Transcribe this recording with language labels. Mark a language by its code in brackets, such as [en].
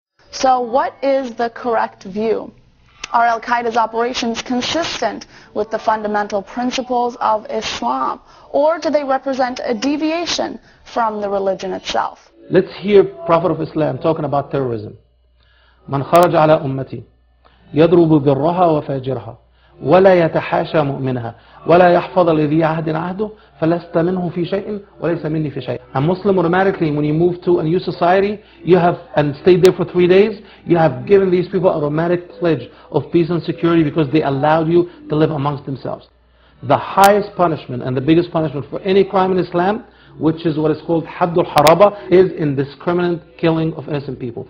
[en] So what is the correct view? Are Al-Qaeda's operations consistent with the fundamental principles of Islam, or do they represent a deviation from the religion itself? Let's hear Prophet of Islam talking about terrorism. [ar] من خرج على أمتي يضرب ذرها وفاجرها ولا يتحاشى مؤمنها ولا يحفظ الذي عهد عهده فلست منه في شيء وليس مني في شيء. [en] A Muslim automatically, when you move to a new society, you have and stayed there for 3 days, you have given these people a romantic pledge of peace and security because they allowed you to live amongst themselves. The highest punishment and the biggest punishment for any crime in Islam, which is what is called حد الحرابة, is indiscriminate killing of innocent people.